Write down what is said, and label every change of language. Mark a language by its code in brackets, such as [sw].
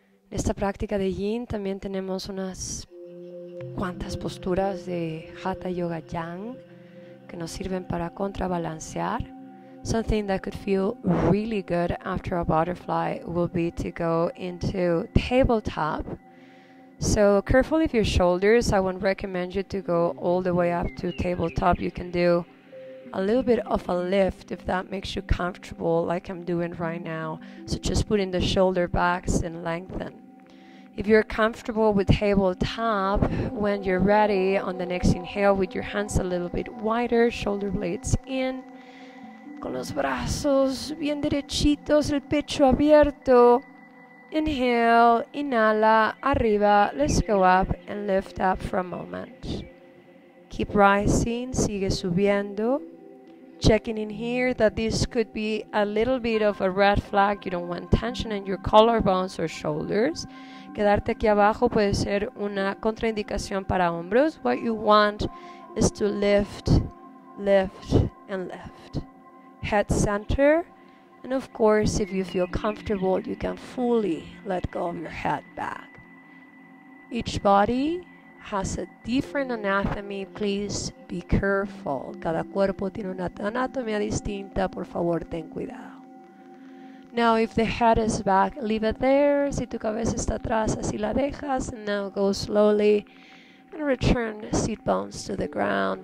[es] En esta práctica de Yin también tenemos unas cuantas posturas de Hatha Yoga Yang que nos sirven para contrabalancear. [en] Something that could feel really good after a butterfly will be to go into tabletop. So careful of your shoulders. I wouldn't recommend you to go all the way up to tabletop. You can do a little bit of a lift if that makes you comfortable, like I'm doing right now. So just putting the shoulder backs and lengthen. If you're comfortable with tabletop, when you're ready on the next inhale with your hands a little bit wider, shoulder blades in, [es] con los brazos bien derechitos, el pecho abierto. [en] Inhale, [es] inhala, arriba, [en] let's go up and lift up for a moment. Keep rising, [es] sigue subiendo. [en] checking in here that this could be a little bit of a red flag. You don't want tension in your collarbones or shoulders. [es] Quedarte aquí abajo puede ser una contraindicación para hombros. [en] What you want is to lift, lift, and lift. Head center. And of course, if you feel comfortable, you can fully let go of your head back. Each body has a different anatomy. Please be careful. [es] Cada cuerpo tiene una anatomía distinta. Por favor, ten cuidado. [en] Now, if the head is back, leave it there. [es] Si tu cabeza está atrás, así la dejas. [en] And now go slowly and return the seat bones to the ground.